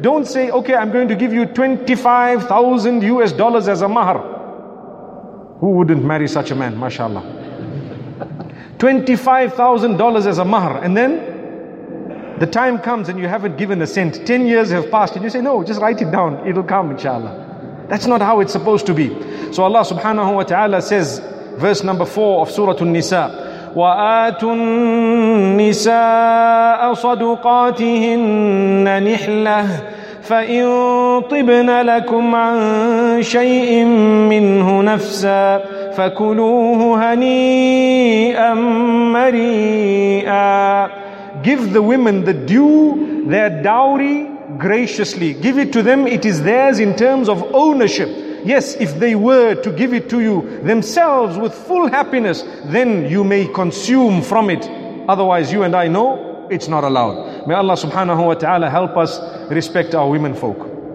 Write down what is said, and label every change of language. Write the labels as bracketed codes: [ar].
[en] Don't say, okay, I'm going to give you $25,000 as a mahar. Who wouldn't marry such a man? MashaAllah. $25,000 as a mahar. And then the time comes and you haven't given a cent. 10 years have passed and you say, no, just write it down. It'll come, inshallah. That's not how it's supposed to be. So Allah subhanahu wa ta'ala says, verse number 4 of Surah An-Nisa, [ar] وَآتُوا النِّسَاءَ صَدُقَاتِهِنَّ نِحْلَةً فَإِنْ طِبْنَ لَكُمْ عَنْ شَيْءٍ مِّنْهُ نَفْسًا فَكُلُوهُ هَنِيئًا مَرِيئًا. [en] Give the women the due, their dowry, graciously. Give it to them. It is theirs in terms of ownership. Yes, if they were to give it to you themselves with full happiness, then you may consume from it. Otherwise, you and I know it's not allowed. May Allah subhanahu wa ta'ala help us respect our women folk.